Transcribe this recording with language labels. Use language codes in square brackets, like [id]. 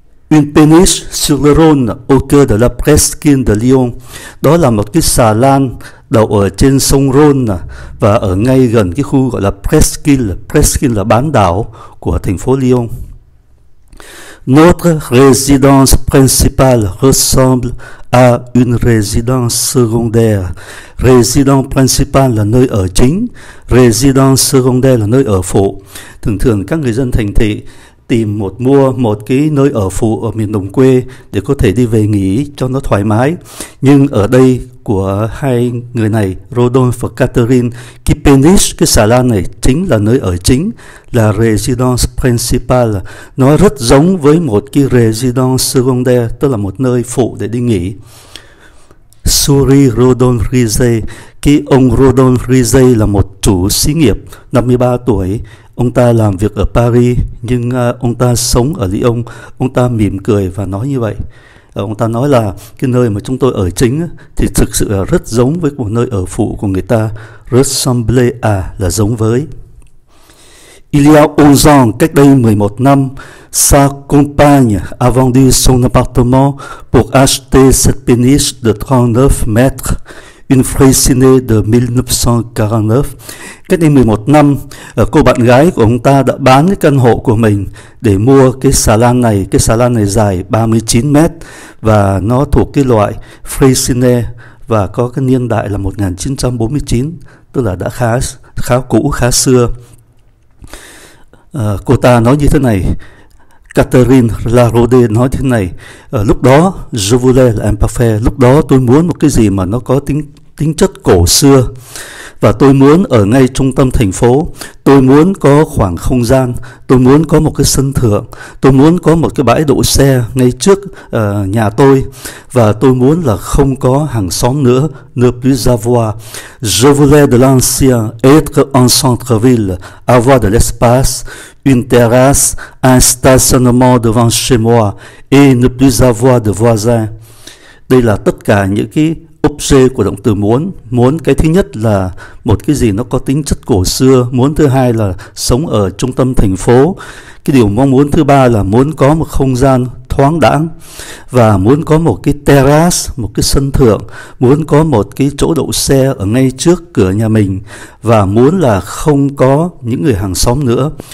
[fr] Une péniche sur le Rhône au cœur de la presqu'île de Lyon. [vi] Đó là một cái xà lan đậu ở trên sông Rhône và ở ngay gần cái khu gọi là Presqu'île. Presqu'île là bán đảo của thành phố Lyon. [fr] Notre résidence principale ressemble à une résidence secondaire. [vi] Résidence principale là nơi ở chính, résidence secondaire là nơi ở phụ. Thường thường các người dân thành thị tìm một mua một cái nơi ở phụ ở miền đồng quê để có thể đi về nghỉ cho nó thoải mái. Nhưng ở đây của hai người này, Rodolphe và Catherine, cái penis, cái xà lan này chính là nơi ở chính, là residence principale. Nó rất giống với một cái residence secondaire, tức là một nơi phụ để đi nghỉ. Suri Rodolphe Rize, cái ông Rodolphe Rize là một chủ xí nghiệp 53 tuổi. Ông ta làm việc ở Paris, nhưng ông ta sống ở Lyon. Ông ta mỉm cười và nói như vậy. Ông ta nói là cái nơi mà chúng tôi ở chính thì thực sự là rất giống với một nơi ở phụ của người ta. Ressembler à, là giống với. [fr] Il y a 11 ans, [vi] cách đây 11 năm, [fr] sa compagne a vendu son appartement pour acheter cette péniche de 39 mètres, une Freycinet de 1949. [vi] Cách đây 11 năm, cô bạn gái của ông ta đã bán cái căn hộ của mình để mua cái xà lan này. Cái xà lan này dài 39 mét và nó thuộc cái loại Freycinet và có cái niên đại là 1949, tức là đã khá khá cũ, khá xưa. Cô ta nói như thế này, Catherine Larode nói thế này, lúc đó, [fr] je voulais [vi] l'imparfait, lúc đó tôi muốn một cái gì mà nó có tính chất cổ xưa. Và tôi muốn ở ngay trung tâm thành phố, tôi muốn có khoảng không gian, tôi muốn có một cái sân thượng, tôi muốn có một cái bãi đỗ xe ngay trước nhà tôi, và tôi muốn là không có hàng xóm nữa, [fr] ne plus avoir. Je voulais de l'ancien, être en centre-ville, avoir de l'espace, une terrasse, un stationnement devant chez moi, et ne plus avoir de voisins. [vi] Đây là tất cả những cái objet của động từ muốn. Muốn cái thứ nhất là một cái gì nó có tính chất cổ xưa, muốn thứ hai là sống ở trung tâm thành phố, cái điều mong muốn thứ ba là muốốn có một không gian thoáng đãng, và muốn có một cái terrace, một cái sân thượng, muốn có một cái chỗ đậu xe ở ngay trước cửa nhà mình, và muốn là không có những người hàng xóm nữa.